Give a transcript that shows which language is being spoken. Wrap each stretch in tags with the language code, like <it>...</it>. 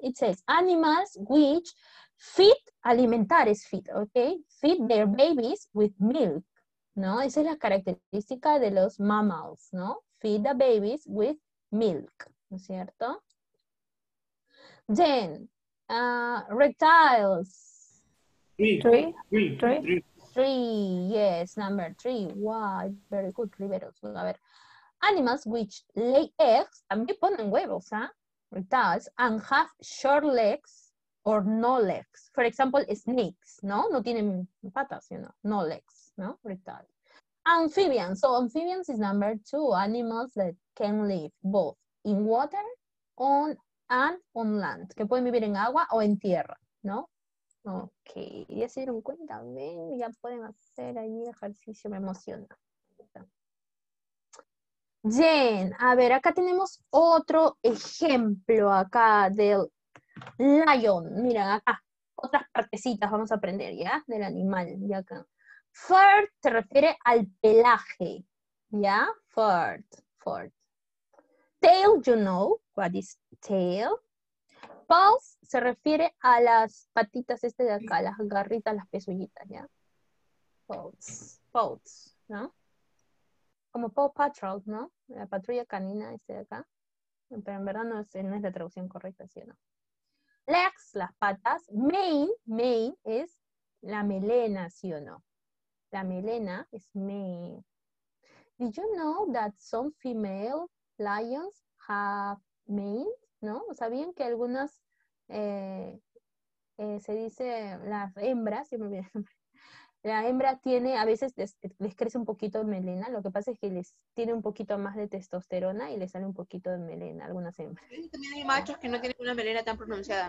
<en>It says animals which feed, alimentares feed, okay? Feed their babies with milk. ¿No?</en> <es>Esa es la característica de los mammals, ¿no?</es> <en>Feed the babies with milk,</en> <es>¿no es cierto?</es> <en>Then, reptiles. Three. Yes, number three. Wow, very good, Riveros.</en> <es>A ver,</es> <en>animals which lay eggs,</en> <es>también ponen huevos, ¿ah?</es> <en>Reptiles, and have short legs or no legs. For example, snakes, ¿no?</en> <es>No tienen patas,</es> <en>you know, no legs, ¿no? Reptiles. Amphibians. So amphibians is number two. Animals that can live both in water on and on land.</en> <es>Que pueden vivir en agua o en tierra, ¿no? Ok. Ya se dieron cuenta. Ven, ya pueden hacer ahí ejercicio. Me emociona. Bien. A ver, acá tenemos otro ejemplo acá del lion. Mira, acá. Otras partecitas vamos a aprender, ¿ya? Del animal, ya acá. Fur te refiere al pelaje, ¿ya? Fur.</es> <en>Tail, you know, what is tail?</en> <es>Paws se refiere a las patitas este de acá, las garritas, las pezuñitas, ¿ya? Paws, ¿no? Como Paw Patrol, ¿no? La patrulla canina este de acá. Pero en verdad no es la traducción correcta, ¿sí o no? Legs, las patas. Mane es la melena, ¿sí o no? La melena es mane.</es> <en>Did you know that some female lions have mane?</en> <es>¿No? ¿Sabían que algunas, se dice las hembras, siempre me olvidé. La hembra tiene, a veces les crece un poquito de melena, lo que pasa es que les tiene un poquito más de testosterona y les sale un poquito de melena, algunas hembras. También hay machos que no tienen una melena tan pronunciada,</es>